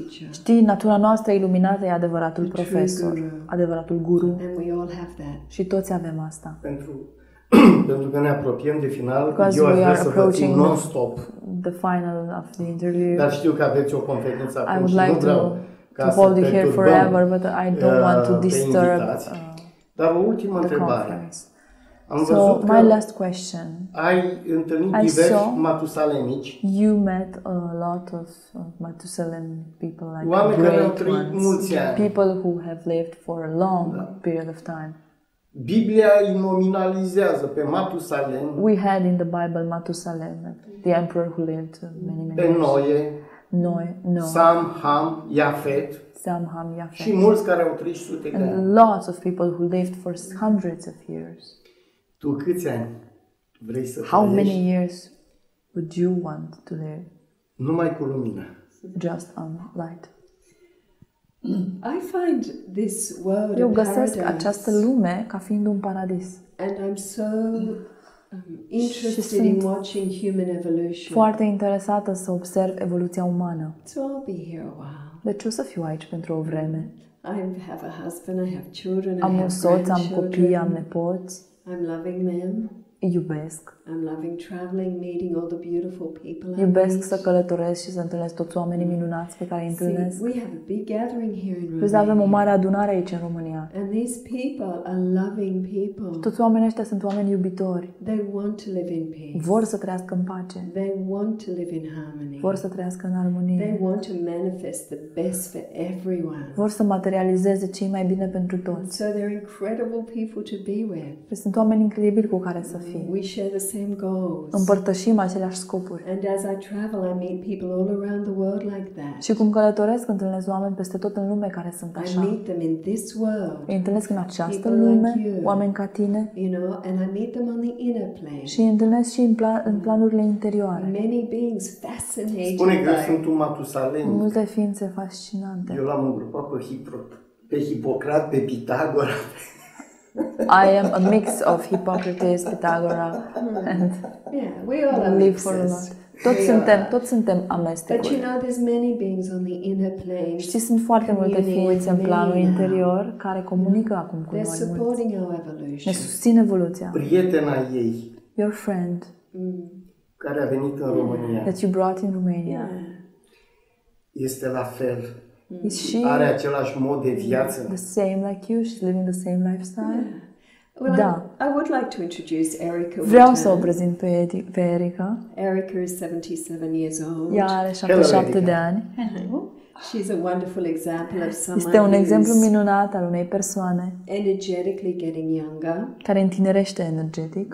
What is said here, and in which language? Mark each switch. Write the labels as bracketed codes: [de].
[ro] Știi, natura noastră iluminată e adevăratul profesor, adevăratul guru. Și toți avem asta. Pentru că ne apropiem de final, eu aș vrea să vă țin non-stop. [en] The final of the interview. [ro] Dar știu că aveți o conferință acum. [en] I would like to hold you here forever, but I don't want to disturb. [ro] Dar o ultimă întrebare. [en] So my last question. [ro] Ai întâlnit diverse matusalemici? [en] You met a lot of Matusalem people, like [ro] oameni care au trăit mulți ani. [en] People who have lived for a long period of time. [ro] Biblia îi nominalizează pe Matusalem. [en] We had in the Bible Matusalem, the emperor who lived many years. [ro] Pe Noe. Sam, Ham, Yafet. Și mulți care au trăit sute de ani. [en] Lots of people who lived for hundreds of years. [ro] Tu câți ani vrei să trăiești? [en] How many years would you want to live? [ro] Numai cu lumină. [en] Just on light. I find this world a paradise. [ro] Eu găsesc această lume ca fiind un paradis. [en] And I'm so interested in watching human evolution. [ro] Foarte interesată să observ evoluția umană. [en] So I'll be here a while. [ro] Deci o să fiu aici pentru o vreme. [en] I have a husband, I have children, [ro] am un soț, am copii, am nepoți. [en] I'm loving them. [ro] Iubesc. [en] I'm loving traveling, meeting all the beautiful people. [ro] Iubesc să călătoresc și să întâlnesc toți oamenii minunați pe care îi întâlnesc. [en] See, we have a big gathering here in Romania. [ro] Avem o mare adunare aici în România. [en] And these people are loving people. [ro] Toți oamenii ăștia sunt oameni iubitori. [en] They want to live in peace. [ro] Vor să trăiască în pace. [en] They want to live in harmony. [ro] Vor să trăiască în armonie. [en] They want to manifest the best for everyone. [ro] Vor să materializeze ce e mai bine pentru toți. [en] So they're incredible people to be with. [ro] Sunt oameni incredibili cu care să fii. [en] We share the same goals. [ro] Împărtășim aceleași scopuri. [en] And as I travel, I meet people all around the world like that. [ro] Și cum călătoresc, întâlnesc oameni peste tot în lume care sunt așa. [en] I meet them in this world. [ro] Îi întâlnesc în această lume, oameni ca tine. [en] You know, and I meet them on the inner plane. [ro] Și îi întâlnesc și în planurile interioare. [en] Many beings fascinating. [ro] Spune că sunt un matusalem. Multe ființe fascinante. Eu l-am îngrupat pe Hipocrat, pe Pitagora. [en] I am a mix of Hippocrates, Pythagoras, and yeah, we all live for a lot. [ro] Toți suntem amestecuri. [en] But you know, there's many beings on the inner plane. [ro] Știi, sunt foarte multe ființe în planul interior care comunică acum cu noi. [en] They're supporting our evolution. [ro] Ne susțin evoluția. Prietena ei. [en] Your friend. [ro] Care a venit în România. [en] That you brought in Romania. [ro] Este la fel. Are același mod de viață. [en] The same like you, she's living the same lifestyle. Well, [ro] da. [en] I would like to introduce Erica. [ro] Vreau să o prezint pe Erica. [en] Erica is 77 years old. [ro] Ea are 77 de ani. [en] She's a wonderful example of someone. [ro] Este un exemplu minunat al unei persoane. [en] Energetically getting younger. [ro] Care întinerește energetic.